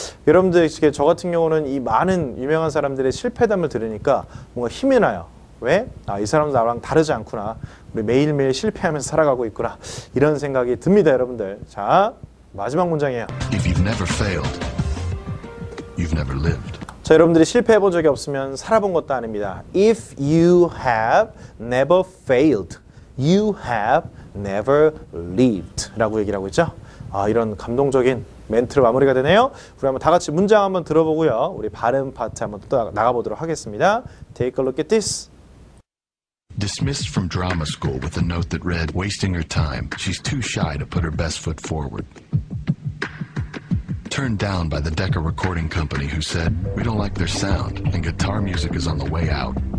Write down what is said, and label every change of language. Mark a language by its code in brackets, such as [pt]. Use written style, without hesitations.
[ko] 여러분들, 저 같은 경우는 이 많은 유명한 사람들의 실패담을 들으니까 뭔가 힘이 나요. 왜? 아, 이 사람 나랑 다르지 않구나. 우리 매일매일 실패하면서 살아가고 있구나. 이런 생각이 듭니다, 여러분들. 자, 마지막 문장이에요. [en] If you've never failed, you've never lived. [ko] 자, 여러분들이 실패해본 적이 없으면 살아본 것도 아닙니다. [en] If you have never failed, you have never lived. [ko] 라고 얘기를 하고 있죠. 아, 이런 감동적인 멘트로 마무리가 되네요. 우리 한번 다 같이 문장 한번 들어보고요. 우리 발음 파트 한번 또 나가보도록 하겠습니다. [en] Take a look at this. Dismissed from drama school with a note that read, wasting her time. She's too shy to put her best foot forward. Turned down by the Decca recording company who said, we don't like their sound and guitar music is on the way out.